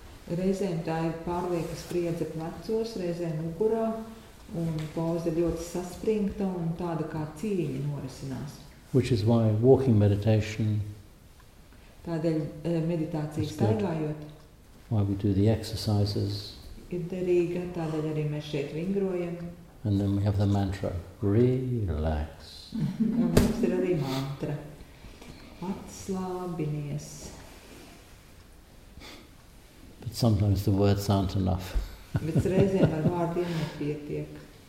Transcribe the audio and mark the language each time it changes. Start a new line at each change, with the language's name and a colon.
Latvian: Reizēm tā ir pārlieka spriedze plecos, reizēm ugurā. Un pauze ļoti saspringta un tāda kā cīņa norisinās.
English: Which is why walking meditation.
Latvian: Tādēļ meditācija staigājot.
English: Why we do the exercises.
Latvian: Ir derīga, tādēļ arī mēs šeit vingrojam.
English: And then we have the mantra, relax.
Latvian: Un mums ir arī mantra. Atslābinies.
English: But sometimes the words aren't enough.
Latvian: Bet reizēm ar vārdiem nepietiek.